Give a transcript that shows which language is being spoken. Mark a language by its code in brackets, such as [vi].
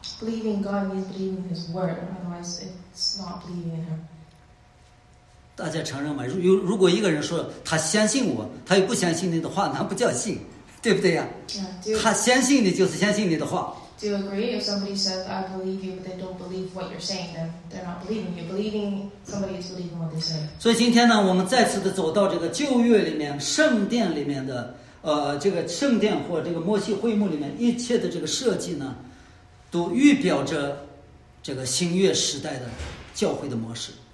[en] Believing God means believing his word, otherwise it's not believing in him. [zh] 大家承认吗？如果一个人说他相信我，他又不相信你的话，那不叫信，对不对呀？ [en] Yeah, do, [zh] 他相信你就是相信你的话。 [en] Do you agree if somebody says I believe you but they don't believe what you're saying, then they're not believing you. Believing somebody is believing what they say. [zh] 所以今天呢，我们再次的走到这个旧约里面，圣殿里面的这个圣殿或这个摩西会幕里面一切的这个设计呢，都预表着这个新约时代的教会的模式。